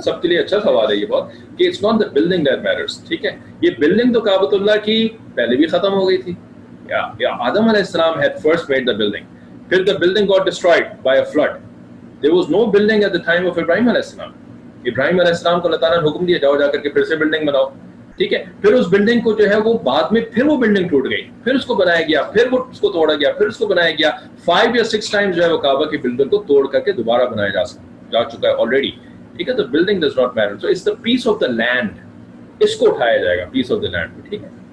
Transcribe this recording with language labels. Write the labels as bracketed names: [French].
[Urdu] سب کے لیے اچھا سوال ہے یہ بہت, کہ [English] it's not the building that matters, [Urdu] ٹھیک ہے. یہ بلڈنگ تو کعبۃ اللہ کی پہلے بھی ختم ہو گئی تھی. [English] Yeah, Adam alayhi salam had first made the building. Then the building got destroyed by a flood. There was no building at the time of Ibrahim alayhi salam. [Urdu] Ibrahim alayhi salam ko Allah Ta'ala ne hukm diya, jao ja kar ke phir se building banao. ٹھیک ہے. پھر اس building کو جو ہے وہ بعد میں پھر وہ بلڈنگ ٹوٹ گئی, پھر اس کو بنایا گیا, پھر وہ اس کو توڑا گیا, پھر اس کو بنایا گیا. 5 or 6 ٹائمز جو ہے وہ کعبہ کی بلڈنگ کو توڑ کر کے دوبارہ بنایا جا چکا ہے آلریڈی, ٹھیک ہے. تو [English] building does not matter, so it's the piece of the land, [Urdu] اس کو اٹھایا جائے گا پیس آف دی لینڈ, ٹھیک ہے.